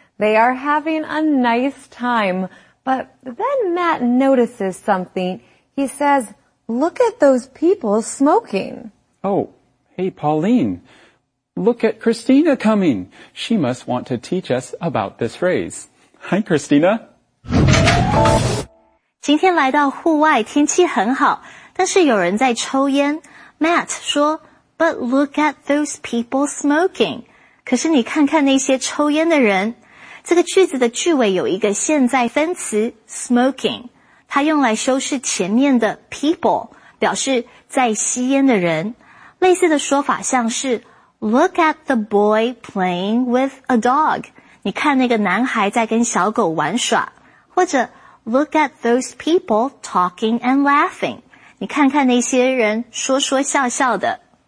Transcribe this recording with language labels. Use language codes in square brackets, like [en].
[en] They are having a nice time, but then Matt notices something. He says, look at those people smoking. Oh, hey, Pauline, look at Christina coming. She must want to teach us about this phrase. Hi, Christina. [zh] 今天来到户外，天气很好，但是有人在抽烟。 [en] Matt 说 ,But look at those people smoking. [zh] 可是你看看那些抽烟的人。这个句子的句尾有一个现在分词 ,smoking. 它用来修饰前面的 people, 表示在吸烟的人。类似的说法像是 [en] ,Look at the boy playing with a dog. [zh] 你看那个男孩在跟小狗玩耍。或者 [en] ,Look at those people talking and laughing. [zh] 你看看那些人说说笑笑的。